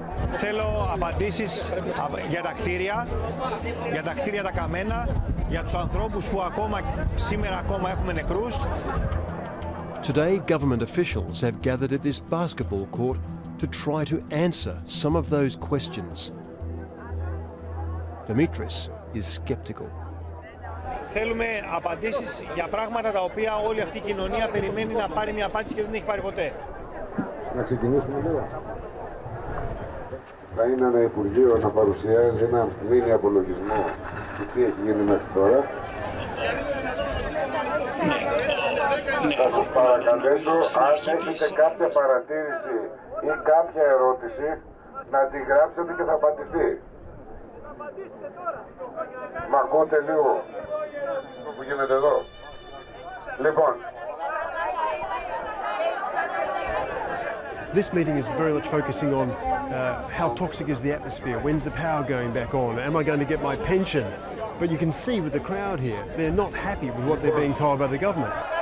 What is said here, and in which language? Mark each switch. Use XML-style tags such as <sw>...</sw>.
<el>Θέλω απαντήσεις για τα κτίρια, για τα κτίρια τα καμένα, για τους ανθρώπους που ακόμα σήμερα ακόμα έχουμε νεκρούς.</el> <en>Today, government officials have gathered at this basketball court to try to answer some of those questions. Dimitri is skeptical.</en> <el>Θέλουμε απαντήσεις για πράγματα τα οποία όλη αυτή η κοινωνία περιμένει να πάρει μια απάντηση και δεν έχει πάρει ποτέ. Να ξεκινήσουμε λίγο. Θα είναι ένα Υπουργείο να παρουσιάζει ένα μήνυ απολογισμό του τι έχει γίνει μέχρι τώρα. Θα σας παρακαλέσω, αν έχετε κάποια παρατήρηση ή κάποια ερώτηση, να τη γράψετε και θα απαντηθεί. Μ' ακούτε λίγο, το που γίνεται εδώ. Λοιπόν.</el> <en>This meeting is very much focusing on how toxic is the atmosphere, when's the power going back on, am I going to get my pension? But you can see with the crowd here, they're not happy with what they're being told by the government.</en>